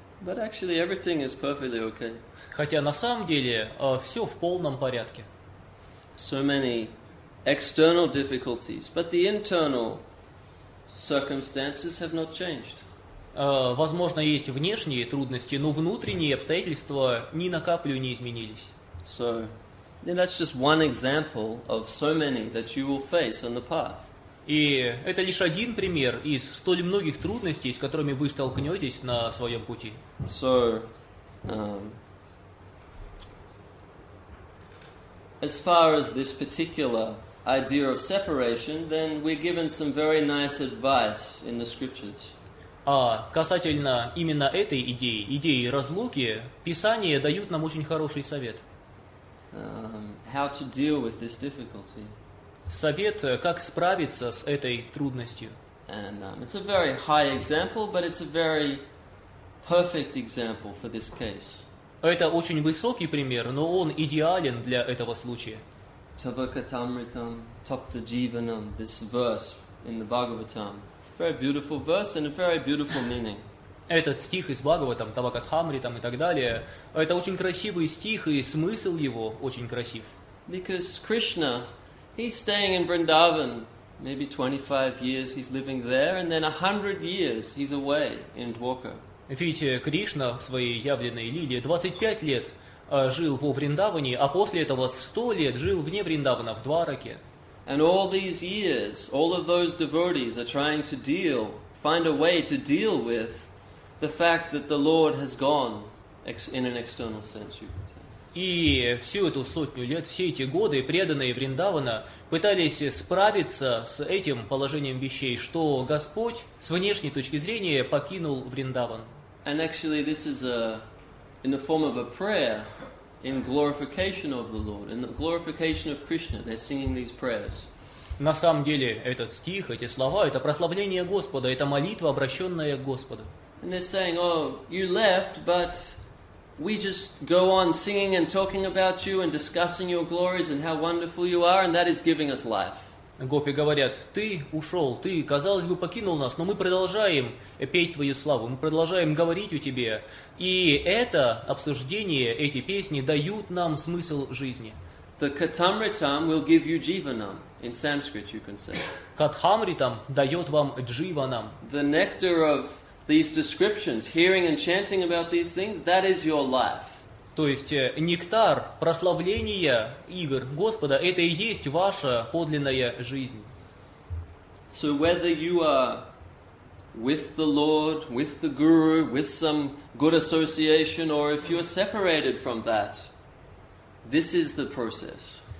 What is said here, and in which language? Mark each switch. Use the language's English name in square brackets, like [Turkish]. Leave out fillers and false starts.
[English] But actually, everything is perfectly okay. [Russian] Хотя на самом деле все в полном порядке. [English] So many external difficulties, but the internal circumstances have not changed. [Russian] Возможно, есть внешние трудности, но внутренние обстоятельства ни на каплю не изменились. [English] So, that's just one example of so many that you will face on the path. [Russian] И это лишь один пример из столь многих трудностей, с которыми вы столкнетесь на своем пути. [English] So, as far as this particular idea of separation, then we're given some very nice advice in the scriptures. [Russian] А касательно именно этой идеи, идеи разлуки, Писание дает нам очень хороший совет. [English] How to deal with this difficulty. [Russian] Совет, как справиться с этой трудностью. [English] And, it's a very high example, but it's a very perfect example for this case. [Russian] Это очень высокий пример, но он идеален для этого случая. [English] Tavakatamritam taptajivanam, this verse in the Bhagavatam. It's a very beautiful verse and a very beautiful meaning. [Russian] Этот стих из Бхагаватам, Тавакатхамритам и так далее, это очень красивый стих, и смысл его очень красив. [English] Because Krishna, he's staying in Vrindavan, maybe 25 years he's living there, and then 100 years he's away in Dwarka. [Russian] Ведь Кришна в своей явленной лиле 25 лет жил во Вриндаване, а после этого 100 лет жил вне Вриндавана, в Двараке. [English] And all these years, all of those devotees are trying to deal, find a way to deal with the fact that the Lord has gone in an external sense, you could say. [Russian] И всю эту сотню лет, все эти годы, преданные Вриндавана пытались справиться с этим положением вещей, что Господь с внешней точки зрения покинул Вриндаван. [English] And actually this is a, in the form of a prayer in glorification of the Lord, in the glorification of Krishna, they're singing these prayers. [Russian] На самом деле, этот стих, эти слова, это прославление Господа, это молитва, обращенная к Господу. [English] And they're saying, oh, you left, but we just go on singing and talking about you and discussing your glories and how wonderful you are, and that is giving us life. [Russian] Гопи говорят, ты ушел, ты, казалось бы, покинул нас, но мы продолжаем петь твою славу, мы продолжаем говорить о тебе, и это обсуждение, эти песни дают нам смысл жизни. [English] The katamritam will give you jivanam, in Sanskrit you can say. [Russian] Катхамритам дает вам дживанам. [English] The nectar of these descriptions, hearing and chanting about these things, that is your life. [Russian] То есть нектар прославления игр Господа – это и есть ваша подлинная жизнь. [English] So whether you are with the Lord, with the Guru, with some good association, or if you are separated from that, this is the process.